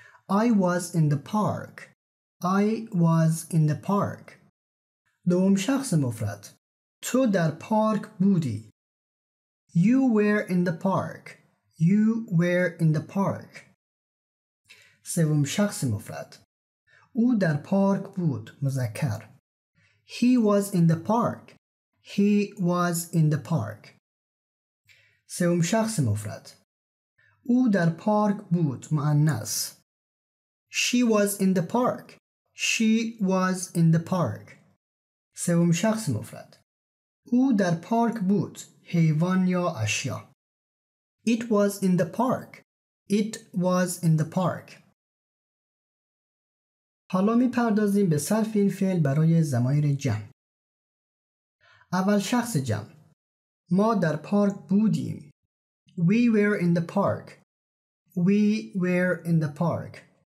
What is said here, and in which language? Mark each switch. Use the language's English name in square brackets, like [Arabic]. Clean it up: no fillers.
[English] I was in the park. I was in the park. [Persian] دوم شخص مفرد: تو در پارک بودی. [English] You were in the park. You were in the park. [Persian] سوم شخص مفرد: او در پارک بود. [English] مذکر: He was in the park. He was in the park. [Persian] سوم شخص مفرد: او در پارک بود. [English] مؤنث: She was in the park. She was in the park. [Persian] سوم شخص مفرد: او در پارک بود. [English] حیوان یا اشیا: It was in the park. It was in the park. [Persian] حالا می پردازیم به صرف این فعل برای ضمایر جمع. اول شخص جمع: ما در پارک بودیم. [English] We were in the park. We were in the park.